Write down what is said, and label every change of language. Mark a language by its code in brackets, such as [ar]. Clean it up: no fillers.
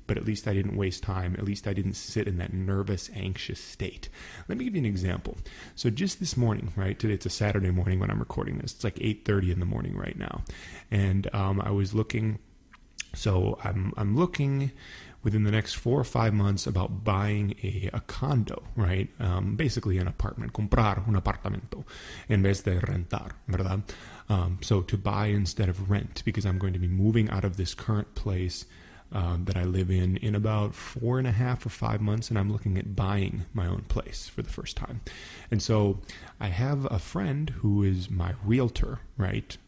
[en] But at least I didn't waste time. At least I didn't sit in that nervous, anxious state. Let me give you an example. So just this morning, right? Today, it's a Saturday morning when I'm recording this. It's like 8:30 in the morning right now. And I was looking. So I'm looking within the next 4 or 5 months about buying a condo, right? Basically an apartment, [es] comprar un apartamento en vez de rentar, ¿verdad? [en] So to buy instead of rent, because I'm going to be moving out of this current place that I live in about 4.5 or 5 months, and I'm looking at buying my own place for the first time. And so I have a friend who is my realtor, right?